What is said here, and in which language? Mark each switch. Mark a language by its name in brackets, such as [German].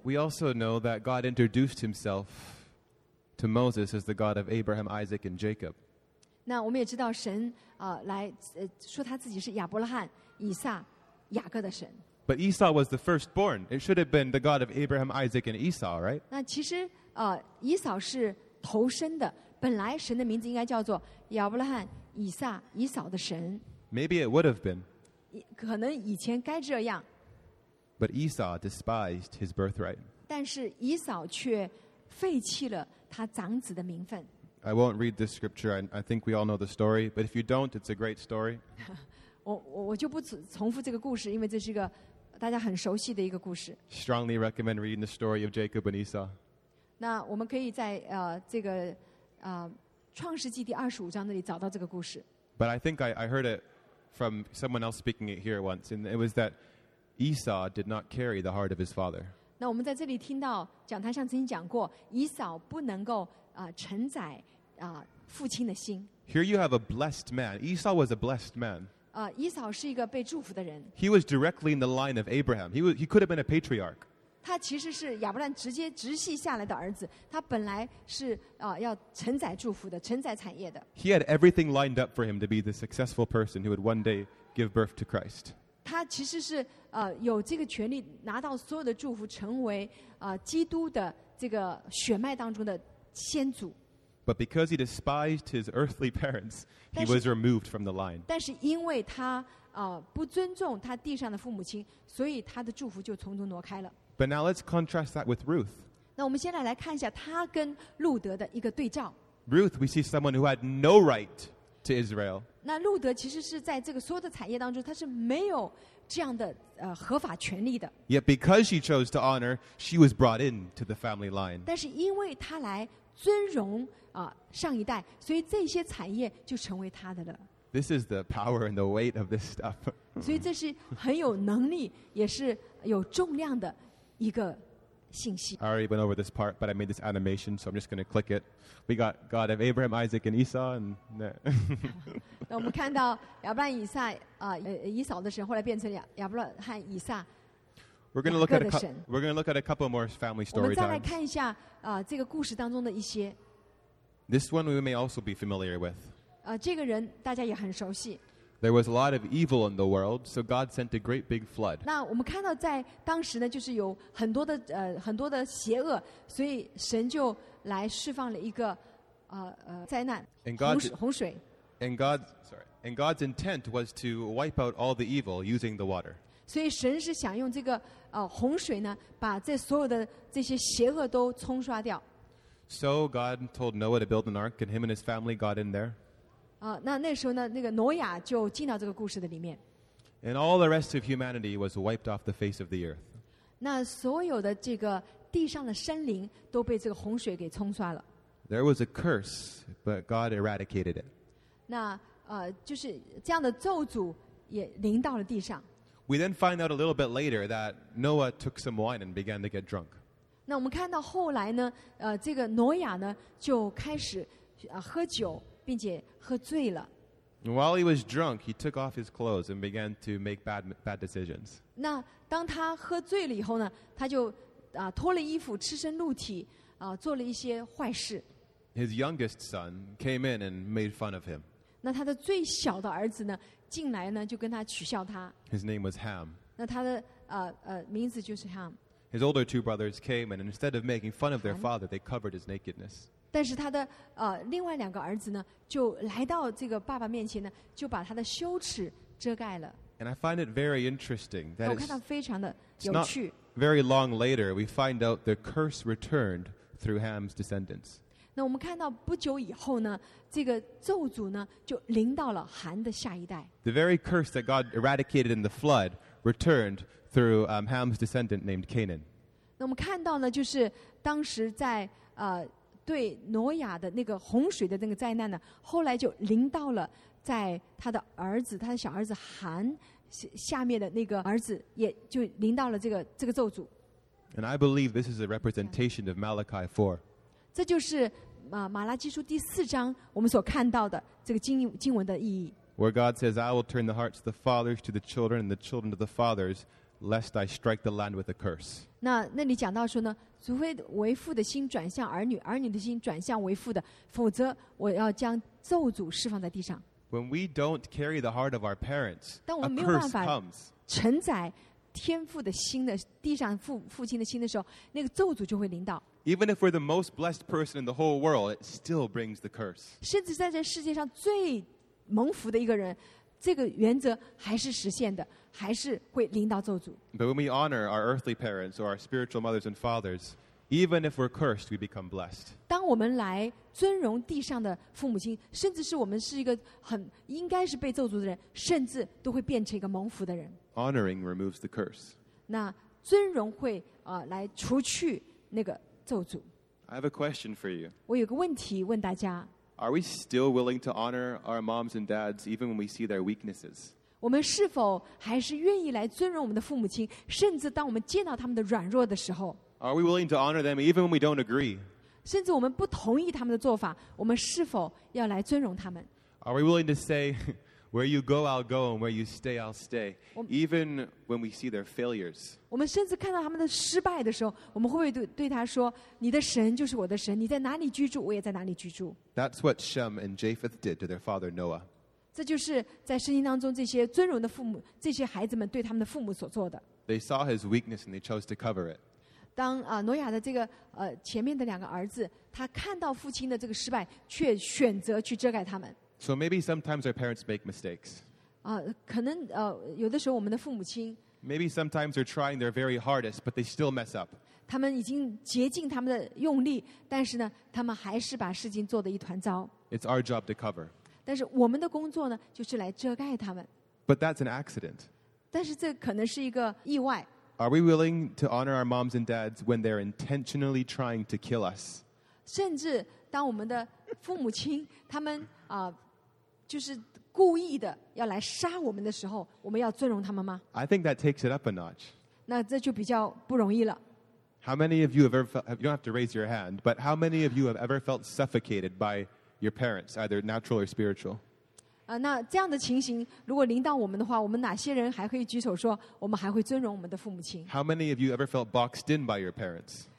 [English] We also know that God introduced himself to Moses as the God of Abraham, Isaac, and Jacob. [Chinese] 那我们也知道神来说他自己是亚伯拉罕、以撒、雅各的神。 [English] But Esau was the firstborn. It should have been the God of Abraham, Isaac, and Esau, right? [Chinese] 那其实，以扫是头生的。本来神的名字应该叫做亚伯拉罕、以撒、以扫的神。 [English] Maybe it would have been. [Chinese] 可能以前该这样。 [English] But Esau despised his birthright. [Chinese] 但是以扫却废弃了他长子的名分。 [English] I won't read this scripture. I think we all know the story. But if you don't, it's a great story. [Chinese] 我就不重复这个故事，因为这是一个大家很熟悉的一个故事。 [English] Strongly recommend reading the story of Jacob and Esau. [Chinese] 那我们可以在这个创世纪第二十五章那里找到这个故事。 [English] But I think I heard it from someone else speaking it here once, and it was that Esau did not carry the heart of his father. [Chinese] 那我们在这里听到讲台上曾经讲过，以扫不能够承载父亲的心。 [English] Here you have a blessed man. Esau was a blessed man. [Chinese] 以扫是一个被祝福的人。 [English] He was directly in the line of Abraham. He could have been a patriarch. [Chinese] 他其实是亚伯兰直接直系下来的儿子。他本来是要承载祝福的，承载产业的。 [English] He had everything lined up for him to be the successful person who would one day give birth to Christ. [Chinese] 他其实是有这个权利拿到所有的祝福，成为基督的这个血脉当中的先祖。 [English] But because he despised his earthly parents, he was removed from the line. [Chinese] 但是因为他不尊重他地上的父母亲，所以他的祝福就从中挪开了。 [English] But now let's contrast that with Ruth. [Chinese] 那我们先来看一下他跟路德的一个对照。 [English] Ruth, we see someone who had no right to Israel. [Chinese] 那路德其实是在这个所有的产业当中，他是没有这样的合法权利的。 [English] Yet because she chose to honor, she was brought in to the family line. [Chinese] 但是因为他来尊荣上一代，所以这些产业就成为他的了。 [English] This is the power and the weight of this stuff. [Chinese] 所以这是很有能力，也是有重量的。 [English] I already went over this part, but I made this animation, so I'm just going to click it. We got God of Abraham, Isaac, and Esau. And [Chinese] 那我们看到亚伯兰、以撒以扫的神，后来变成亚伯兰和以撒。 [English] We're going to look at a couple more family stories. [Chinese] 我们再来看一下这个故事当中的一些。 [English] This one we may also be familiar with. [Chinese] 这个人大家也很熟悉。 [English] There was a lot of evil in the world, so God sent a great big flood. [Chinese] 那我们看到在当时呢，就是有很多的很多的邪恶，所以神就来释放了一个灾难，洪水。 [English] And God's intent was to wipe out all the evil using the water. [Chinese] 所以神是想用这个洪水呢，把这所有的这些邪恶都冲刷掉。 [English] So God told Noah to build an ark, and him and his family got in there. [Chinese] 那时候呢，那个挪亚就进到这个故事的里面。 [English] And all the rest of humanity was wiped off the face of the earth. [Chinese] 那所有的这个地上的生灵都被这个洪水给冲刷了。 [English] There was a curse, but God eradicated it. [Chinese] 那就是这样的咒诅也临到了地上。 [English] We then find out a little bit later that Noah took some wine and began to get drunk. [Chinese] 那我们看到后来呢，这个挪亚呢就开始喝酒。并且喝醉了。 [English] While he was drunk, he took off his clothes and began to make bad decisions. [Chinese] 那当他喝醉了以后呢，他就脱了衣服，赤身露体，做了一些坏事。 [English] His youngest son came in and made fun of him. [Chinese] 那他的最小的儿子呢，进来呢就跟他取笑他。 [English] His name was Ham. [Chinese] 那他的名字就是 Ham. [English] His older two brothers came and instead of making fun of their father, they covered his nakedness. [Chinese] 但是他的另外两个儿子呢，就来到这个爸爸面前呢，就把他的羞耻遮盖了。 [English] And I find it very interesting that [Chinese] 我看到非常的有趣。 [English] Very long later, we find out the curse returned through Ham's descendants. [Chinese] 那我们看到不久以后呢，这个咒诅呢就临到了韩的下一代。 [English] The very curse that God eradicated in the flood returned through Ham's descendant named Canaan. [Chinese] 那我们看到呢，就是当时在对挪亚的那个洪水的那个灾难呢，后来就临到了在他的儿子，他的小儿子韩下面的那个儿子，也就临到了这个咒诅。 [English] And I believe this is a representation of Malachi 4. [Chinese] 这就是马拉基书第四章我们所看到的这个经文的意义。 [English] Where God says, "I will turn the hearts of the fathers to the children, and the children to the fathers, lest I strike the land with a curse." [Chinese] 那里讲到说呢。除非为父的心转向儿女，儿女的心转向为父的，否则我要将咒诅释放在地上。 [English] When we don't carry the heart of our parents, [Chinese] 当我们没有办法承载天父的心的地上父亲的心的时候，那个咒诅就会临到。 [English] Even if we're the most blessed person in the whole world, it still brings the curse. [Chinese] 甚至在这世界上最蒙福的一个人，这个原则还是实现的，还是会临到咒诅。 [English] But when we honor our earthly parents or our spiritual mothers and fathers, even if we're cursed, we become blessed. [Chinese] 当我们来尊荣地上的父母亲，甚至是我们是一个很应该是被咒诅的人，甚至都会变成一个蒙福的人。 [English] Honoring removes the curse. [Chinese] 那尊荣会啊来除去那个咒诅。 [English] I have a question for you. [Chinese] 我有个问题问大家。 [English] Are we still willing to honor our moms and dads even when we see their weaknesses? [Chinese] 我们是否还是愿意来尊荣我们的父母亲，甚至当我们见到他们的软弱的时候？ [English] Are we willing to honor them even when we don't agree? [Chinese] 甚至我们不同意他们的做法，我们是否要来尊荣他们？ [English] Are we willing to say, where you go, I'll go, and where you stay, I'll stay, even when we see their failures? [Chinese] 我们甚至看到他们的失败的时候，我们会不会 对他说，你的神就是我的神，你在哪里居住，我也在哪里居住？ [English] That's what Shem and Japheth did to their father Noah. [Chinese] 这就是在圣经当中这些尊荣的父母，这些孩子们对他们的父母所做的。 [English] They saw his weakness and they chose to cover it. [Chinese] 当挪亚的这个前面的两个儿子，他看到父亲的这个失败，却选择去遮盖他们。 [English] So maybe sometimes our parents make mistakes. [Chinese] 可能有的时候我们的父母亲。 [English] Maybe sometimes they're trying their very hardest, but they still mess up. [Chinese] 他们已经竭尽他们的用力，但是呢，他们还是把事情做得一团糟。 [English] It's our job to cover. [Chinese] 但是我们的工作呢，就是来遮盖他们。 [English] But that's an accident. [Chinese] 但是这可能是一个意外。 [English] Are we willing to honor our moms and dads when they're intentionally trying to kill us? [Chinese] 甚至当我们的父母亲他们就是故意的要来杀我们的时候，我们要尊荣他们吗？ [English] I think that takes it up a notch. [Chinese] 那这就比较不容易了。 [English] How many of you have ever felt, you don't have to raise your hand, but how many of you have ever felt suffocated by your parents, either natural or spiritual? [Chinese] 那这样的情形如果临到我们的话，我们哪些人还可以举手说我们还会尊荣我们的父母亲？ [English] How many of you ever felt boxed in by your parents?